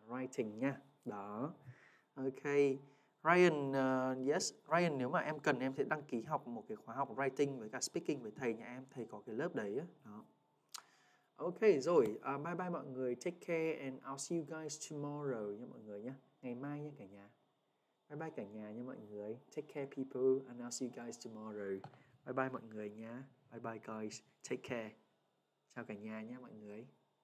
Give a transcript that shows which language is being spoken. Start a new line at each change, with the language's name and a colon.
English: Writing nha. Đó. Ok. Ryan, yes.
Vietnamese: Ryan, nếu mà em cần em sẽ đăng ký học một cái khóa học writing với cả speaking với thầy nha em. Thầy có cái lớp đấy á. Đó. Ok, rồi. Bye bye mọi người.
English: Take care and I'll see you guys tomorrow
Vietnamese: nha mọi người nhé. Ngày mai nha cả nhà. Bye bye cả nhà nha mọi người.
English: Take care people and I'll see you guys tomorrow.
Vietnamese: Bye bye mọi người nha.
English: Bye bye guys. Take care.
Vietnamese: Chào cả nhà nha mọi người.